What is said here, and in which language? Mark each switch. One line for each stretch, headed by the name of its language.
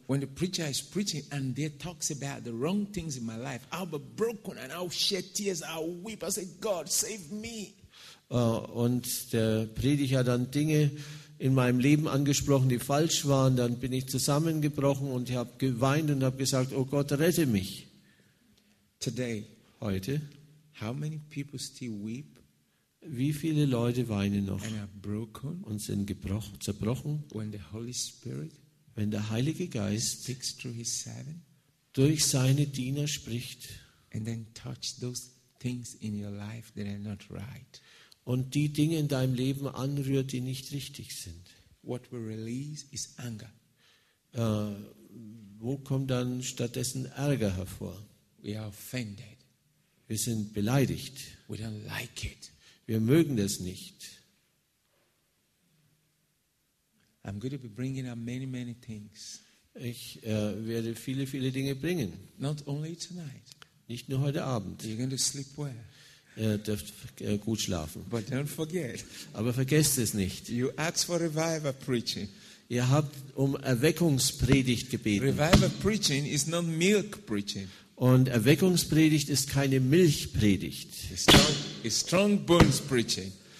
English: when the preacher is preaching and they talks about the wrong things in my life, I'll be broken and I'll shed tears, I'll weep, I'll say, God, save me.
German: Und der Prediger hat dann Dinge in meinem Leben angesprochen, die falsch waren, dann bin ich zusammengebrochen und ich habe geweint und habe gesagt, oh Gott, rette mich.
English: Today,
German: heute,
English: how many people still weep?
German: Wie viele Leute weinen noch
English: and are broken,
German: und sind gebrochen, zerbrochen,
English: when the Holy Spirit,
German: wenn der Heilige Geist
English: speaks through his servant,
German: durch seine Diener spricht
English: and then touch those things in your life that are not right,
German: und die Dinge in deinem Leben anrührt, die nicht richtig sind?
English: What we release is anger.
German: Wo kommt dann stattdessen Ärger hervor?
English: We are offended.
German: Wir sind beleidigt.
English: We don't like it.
German: Wir mögen das nicht.
English: I'm going to be bringing up many, many things.
German: Ich werde viele, viele Dinge bringen.
English: Not only tonight.
German: Nicht nur heute Abend.
English: You're going to sleep well.
German: Ihr dürft gut schlafen.
English: But don't forget.
German: Aber vergesst es nicht.
English: You ask for revival preaching.
German: Ihr habt um Erweckungspredigt gebeten.
English: Revival preaching is not milk preaching.
German: Und Erweckungspredigt ist keine Milchpredigt.
English: Strong bones preaching.